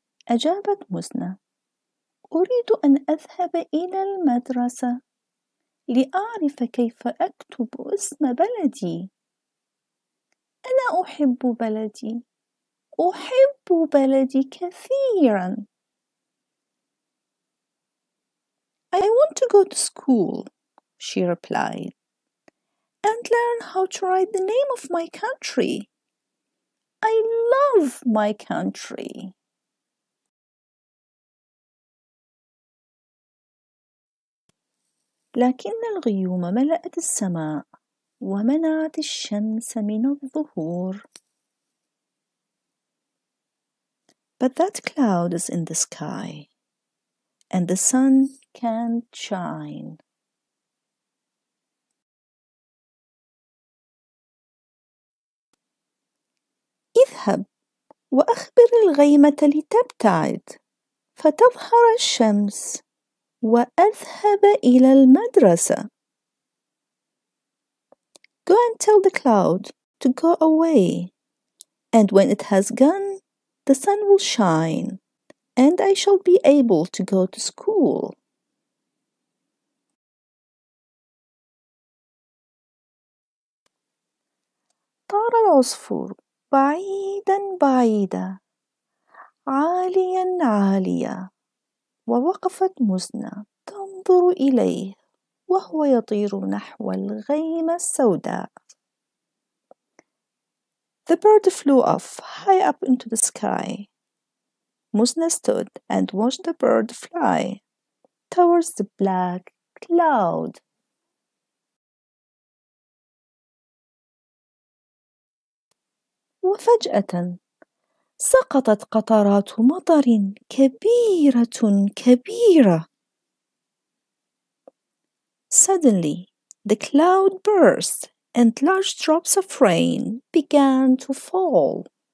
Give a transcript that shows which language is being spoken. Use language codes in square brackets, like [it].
[ar] أجابت مزنة: أريد أن أذهب إلى المدرسة لأعرف كيف أكتب اسم بلدي. أنا أحب بلدي، أحب بلدي كثيراً. [en] I want to go to school, she replied, and learn how to write the name of my country. I love my country. [ar] لكن الغيوم ملأت السماء ومنعت الشمس من الظهور. [en] But that cloud is in the sky, and the sun can't shine. [ar] اذهب وأخبر الغيمة لتبتعد فتظهر الشمس وأذهب إلى المدرسة. [en] Go and tell the cloud to go away, and when it has gone, the sun will shine, and I shall be able to go to school. [ar] طار العصفور بعيدا بعيدا عاليا عاليا ووقفت مزنة تنظر إليه وهو يطير نحو الغيمة السوداء. [en] The bird flew off high up into the sky. Muzna stood and watched the bird fly towards the black cloud. [ar] وفجأة سقطت قطرات مطر كبيرة كبيرة. [en] Suddenly, the cloud burst and large drops of rain began to fall.